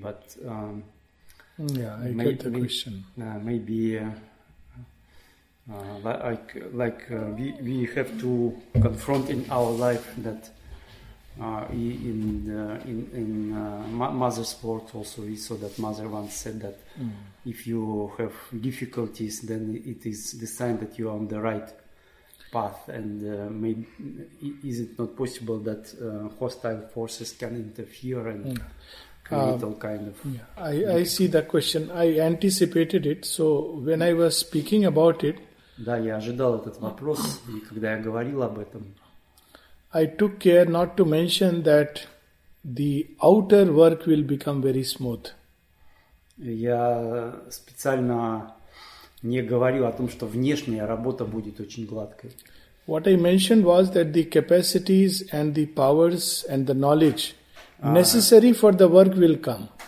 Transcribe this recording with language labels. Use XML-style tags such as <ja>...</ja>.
<en>But we have to confront in our life that mother's words also we saw that mother once said that if you have difficulties then it is the sign that you are on the right path, and is it not possible that hostile forces can interfere and create all kind of I see the question. I anticipated it, so when I was speaking about it,</en> <ru>да, я ожидал этот вопрос, и когда я говорил об этом,</ru> <en>I took care not to mention that the outer work will become very smooth.</en> <ru>Я специально не говорил о том, что внешняя работа будет очень гладкой.</ru> <en>What I mentioned was that the capacities and the powers and the knowledge necessary for the work will come.</en>